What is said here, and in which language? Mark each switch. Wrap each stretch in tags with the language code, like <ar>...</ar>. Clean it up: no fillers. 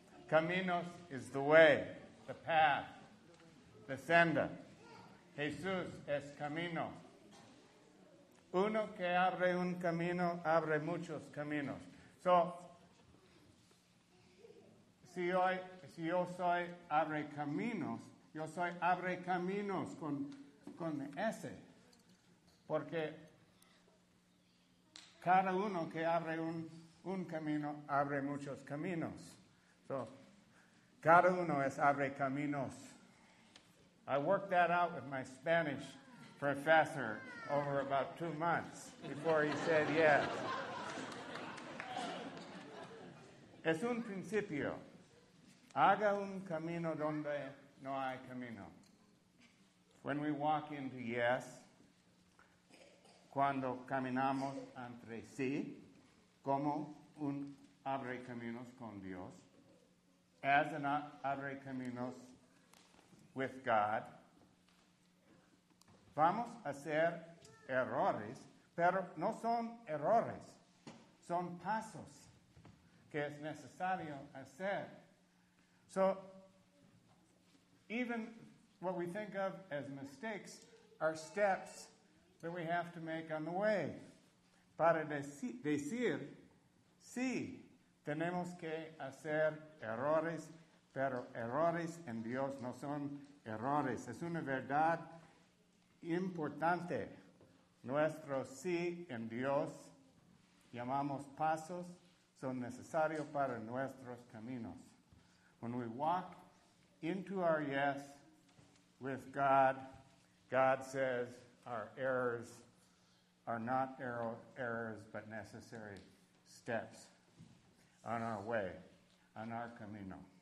<en>Caminos is the way, the path, the sender.</en> <es>Jesús es camino. Uno que abre un camino, abre muchos caminos. So, si yo soy abre caminos, yo soy abre caminos con S. Porque cada uno que abre un camino, abre muchos caminos. So, cada uno es abre caminos.</es> <en>I worked that out with my Spanish professor over about 2 months before he said yes.</en> <es>Es un principio. Haga un camino donde no hay camino.</es> <en>When we walk into yes,</en> <es>cuando caminamos entre sí, como un abre caminos con Dios,</es> <en>as an abre caminos with God,</en> <es>vamos a hacer errores, pero no son errores, son pasos que es necesario hacer.</es> <en>So, even what we think of as mistakes are steps that we have to make on the way.</en> <es>Para decir, sí, tenemos que hacer errores, pero errores en Dios no son errores. Es una verdad importante. Nuestro sí en Dios, llamamos pasos, son necesarios para nuestros caminos.</es> <en>When we walk into our yes with God, God says our errors are not errors, but necessary steps on our way, on our camino.</en>